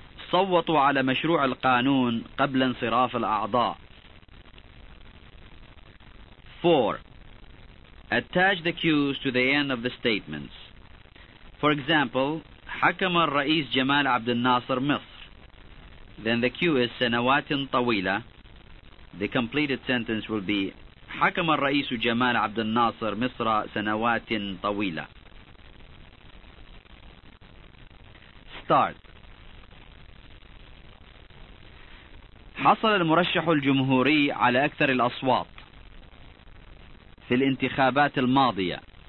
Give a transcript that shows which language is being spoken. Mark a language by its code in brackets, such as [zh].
[ar] صوتوا على مشروع القانون قبل انصراف الأعضاء. [en] 4. Attach the cues to the end of the statements. For example, [ar] حكم الرئيس جمال عبد الناصر مصر. [en] Then the cue is [ar] سنوات طويلة. [en] The completed sentence will be [ar] حكم الرئيس جمال عبد الناصر مصر سنوات طويلة. [en] Start. [ar] حصل المرشح الجمهوري على أكثر الأصوات في الانتخابات الماضية.